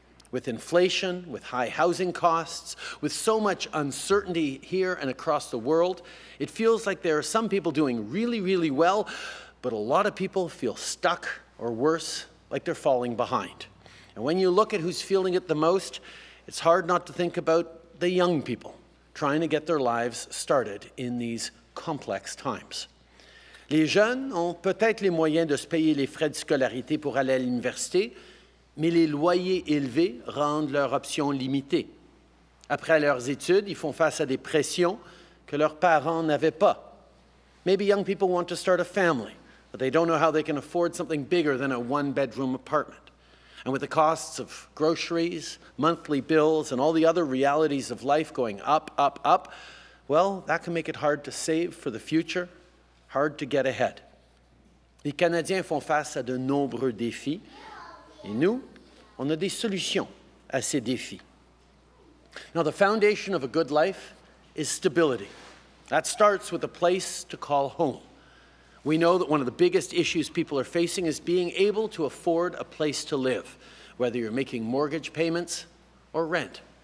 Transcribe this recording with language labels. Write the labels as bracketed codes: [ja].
[en] With inflation, with high housing costs, with so much uncertainty here and across the world, it feels like there are some people doing really, really well, but a lot of people feel stuck or worse, like they're falling behind. And when you look at who's feeling it the most, it's hard not to think about the young people trying to get their lives started in these complex times. [fr] Les jeunes ont peut-être les moyens de se payer les frais de scolarité pour aller à l'université, mais les loyers élevés rendent leurs options limitées. Après leurs études, ils font face à des pressions que leurs parents n'avaient pas. [en] Maybe young people want to start a family, but they don't know how they can afford something bigger than a one-bedroom apartment. And with the costs of groceries, monthly bills, and all the other realities of life going up, up, up, well, that can make it hard to save for the future, hard to get ahead. [fr] Les Canadiens font face à de nombreux défis, et nous, on a des solutions à ces défis. [en] Now, the foundation of a good life is stability. That starts with a place to call home. We know that one of the biggest issues people are facing is being able to afford a place to live, whether you're making mortgage payments or rent.